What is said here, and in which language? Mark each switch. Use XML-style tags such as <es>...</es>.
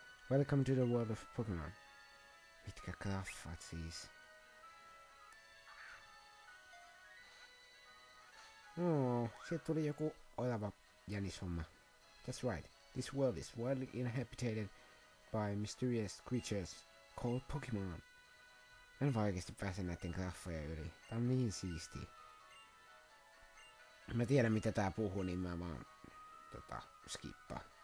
<en>Welcome to the world of Pokemon.</en> <fi>Mitkä graffat siis. No, sieltä tuli joku oleva jänishomma.</fi> <en>That's right, this world is widely inhabited by mysterious creatures called Pokemon.</en> <fi>Mä en vaan oikeesti pääse näitten graffoja yli. Tää on niin siisti. Mä tiedän mitä tää puhuu, niin mä vaan skippaa.</fi>